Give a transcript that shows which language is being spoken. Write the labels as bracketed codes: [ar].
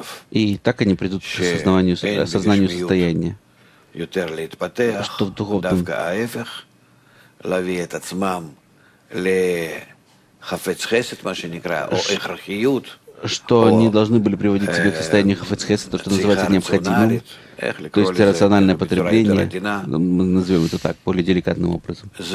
[ru] И так они придут к осознанию состояния. [he] יותר להתפתח, דווקא ההפך, להביא את עצמם לחפץ חסד, מה שנקרא, או הכרחיות, [ru] что они должны были приводить себя к состоянию хафецхеса, то, что называется необходимым, то есть рациональное потребление, мы назовем это так, более деликатным образом.